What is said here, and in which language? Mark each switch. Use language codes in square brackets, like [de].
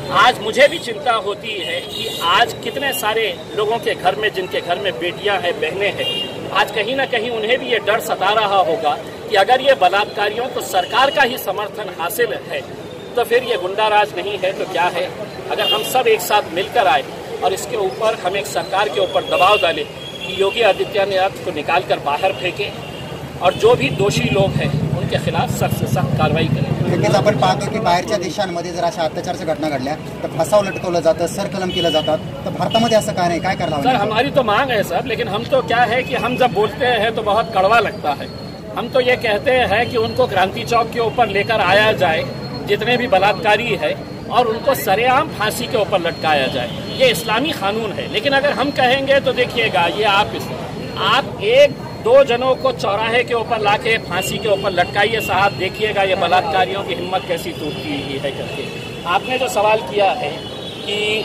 [hi] आज मुझे भी चिंता होती है कि आज कितने सारे लोगों के घर में, जिनके घर में बेटियां हैं, बहनें हैं, आज कहीं ना कहीं उन्हें भी ये डर सता रहा होगा कि अगर ये बलात्कारियों को सरकार का ही समर्थन हासिल है तो फिर ये गुंडाराज नहीं है तो क्या है. अगर हम सब एक साथ मिलकर आए और इसके ऊपर हम एक सरकार के ऊपर दबाव डालें कि योगी आदित्यनाथ को निकाल कर बाहर फेंके और जो भी दोषी लोग हैं उनके खिलाफ सख्त से सख्त कार्रवाई करें. [mr] लेकिन आपण पाहतो की बाहेरच्या देशांमध्ये जर अशा अत्याचारच्या घटना घडल्या तर फसाव लटकवलं जातं, सरकलम केलं जातात, तर भारतामध्ये असं काय नाही, काय करणार? [hi] सर, हमारी तो मांग आहे सर, लेकिन हम तो क्या है कि हम जब बोलते हैं तो बहुत कड़वा लगता है. हम तो ये कहते हैं कि उनको क्रांती चौक के ऊपर लेकर आया जाए जितने भी बलात्कारी है और उनको सरेआम फांसी के ऊपर लटकाया जाए. ये इस्लामी कानून है. लेकिन अगर हम कहेंगे तो देखिएगा, ये आप एक दो जनों को चौराहे के ऊपर लाके फांसी के ऊपर लटकाइए साहब, देखिएगा ये बलात्कारियों की हिम्मत कैसी टूटती है करके. आपने जो सवाल किया है कि